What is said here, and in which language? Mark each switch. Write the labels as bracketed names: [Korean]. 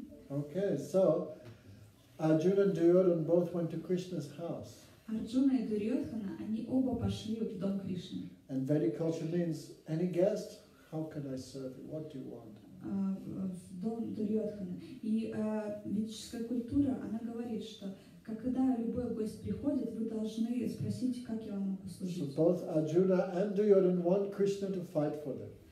[English] Okay, so, Arjuna and Duryodhana both went to Krishna's house. [Russian] Arjuna и Дурьотхана, они оба пошли в дом Кришны. [English] And Vedic culture means any guest, how can I serve you? What do you want? [Russian] Дом Дурьотхана. И ведическая культура, она говорит, что когда любой гость приходит, вы должны спросить, как я вам могу служить. [English] So both Arjuna and Duryodhana want Krishna to fight for them.